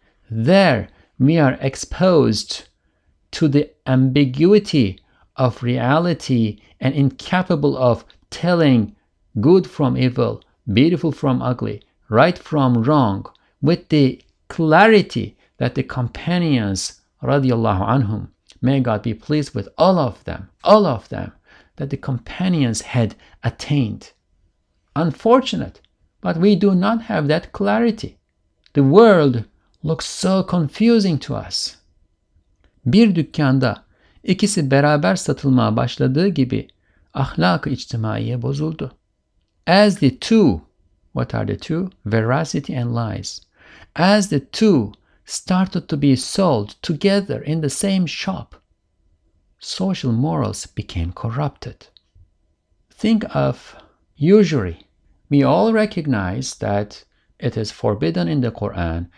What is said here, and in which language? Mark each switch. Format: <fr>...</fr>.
<en>There we are exposed to the ambiguity of reality and incapable of telling good from evil, beautiful from ugly, right from wrong, with the clarity that the companions, radiallahu anhum, may God be pleased with all of them, that the companions had attained. Unfortunate, but we do not have that clarity. The world looks so confusing to us.</en> <tr>Bir dükkanda ikisi beraber satılmaya başladığı gibi ahlak-ı içtimaiye bozuldu.</tr> <en>As the two, what are the two? Veracity and lies. As the two started to be sold together in the same shop, social morals became corrupted. Think of usury. We all recognize that it is forbidden in the Quran.</en>